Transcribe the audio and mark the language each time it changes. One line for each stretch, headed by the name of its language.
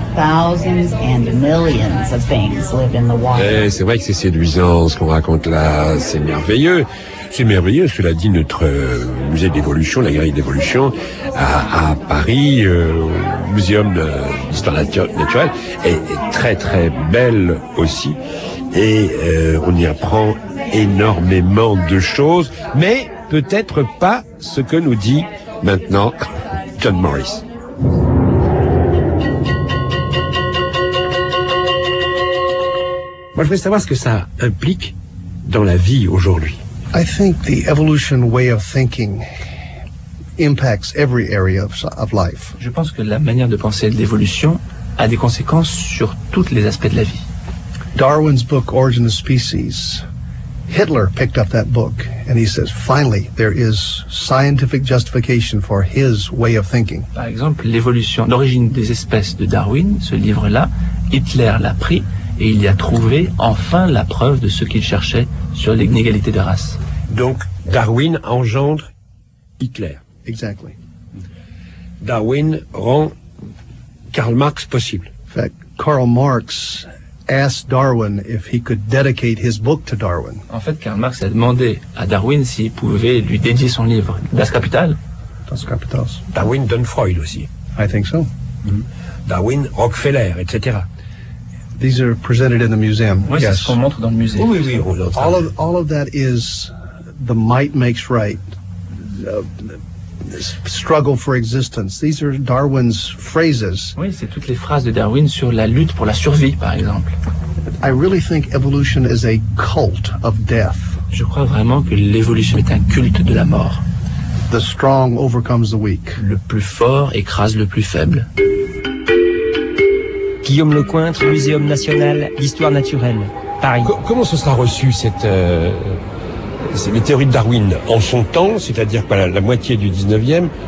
English: Thousands and millions of things live in the water.
French: Eh, c'est vrai que c'est séduisant ce qu'on raconte là, c'est merveilleux. C'est merveilleux, cela dit, notre musée d'évolution, la galerie d'évolution, à Paris, muséum d'histoire naturelle, est très très belle aussi. Et on y apprend énormément de choses, mais peut-être pas ce que nous dit maintenant John Morris. Moi, je voulais savoir ce que ça implique dans la vie aujourd'hui.
English: I think the evolution way of thinking impacts every area of life.
French: Je pense que la manière de penser de l'évolution a des conséquences sur toutes les aspects de la vie.
English: Darwin's book Origin of Species. Hitler picked up that book and he says finally there is scientific justification for his way of thinking.
French: Par exemple, l'évolution, l'origine des espèces de Darwin, ce livre-là, Hitler l'a pris et il y a trouvé enfin la preuve de ce qu'il cherchait sur l'inégalité de race. Donc, Darwin engendre Hitler.
English: Exactly.
French: Darwin rend Karl Marx possible.
English: In fact, Karl Marx asked Darwin if he could dedicate his book to Darwin.
French: En fait, Karl Marx a demandé à Darwin s'il pouvait lui dédier son livre, Das Kapital.
German: Das Kapital.
French: Darwin donne Freud aussi.
English: I think so. Mm-hmm.
French: Darwin, Rockefeller, etc.
English: These are presented in the museum.
French: Oui,
English: yes.
French: C'est ce qu'on montre dans le musée. Oui, oui, oui.
English: All of that is the might makes right, struggle for existence. These are Darwin's phrases.
French: Oui, c'est toutes les phrases de Darwin sur la lutte pour la survie, par exemple.
English: I really think evolution is a cult of death.
French: Je crois vraiment que l'évolution est un culte de la mort.
English: The strong overcomes the weak.
French: Le plus fort écrase le plus faible. Guillaume Lecointre, Muséum National d'Histoire Naturelle, Paris. Comment ce sera reçu, les théories de Darwin en son temps, c'est-à-dire pas la moitié du 19e?